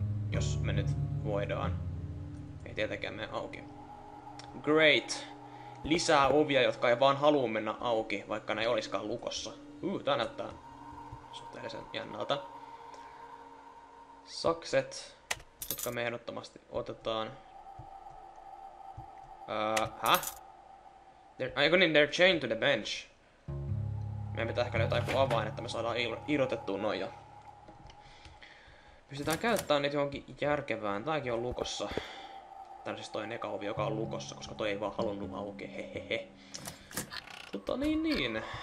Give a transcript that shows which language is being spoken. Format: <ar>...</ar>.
<fi>Jos me nyt voidaan. Ei tietenkään mene auki.</fi> <en>Great.</en> <fi>Lisää ovia, jotka ei vaan haluu mennä auki, vaikka ne ei oliskaan lukossa. Tää näyttää suhteellisen jännältä. Sakset, jotka me ehdottomasti otetaan. Häh? Eiku niin,</fi> <en>they're chained to the bench.</en> <fi>Meidän pitää ehkä jotain kuin avain, että me saadaan irrotettua noin jo. Pystytään käyttämään niitä johonkin järkevään. Tääkin on lukossa. Tänne siis toi on eka ovi, joka on lukossa, koska toi ei vaan halunnut auki, hehehe. Mutta niin.</fi>